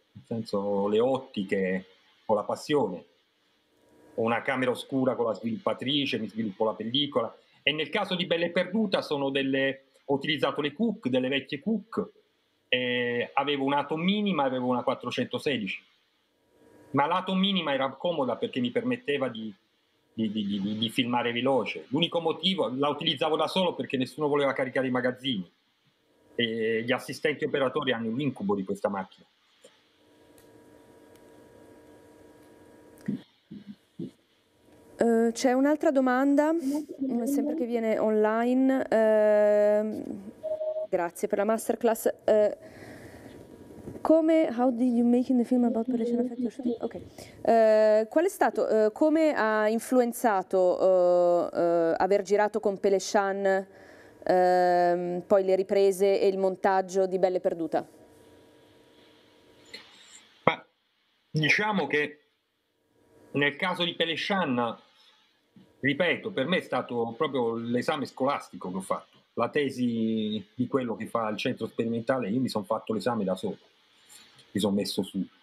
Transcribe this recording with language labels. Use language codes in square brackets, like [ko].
[it] Nel senso le ottiche, ho la passione, ho una camera oscura con la sviluppatrice, mi sviluppo la pellicola, e nel caso di Bella e Perduta ho utilizzato le Cook, delle vecchie Cook, e avevo un Atom minima, avevo una 416, ma l'Atom minima era comoda perché mi permetteva di filmare veloce, l'unico motivo, la utilizzavo da solo perché nessuno voleva caricare i magazzini, e gli assistenti operatori hanno l'incubo di questa macchina. C'è un'altra domanda, sempre che viene online, grazie per la masterclass. Come, [en] how did you make the film about Pelechan effect? Okay. [it] Qual è stato, come ha influenzato aver girato con Pelechan poi le riprese e il montaggio di Bella e Perduta? Beh, diciamo che nel caso di Pelechan, ripeto, per me è stato proprio l'esame scolastico che ho fatto, la tesi di quello che fa il centro sperimentale, io mi sono fatto l'esame da solo, mi sono messo su.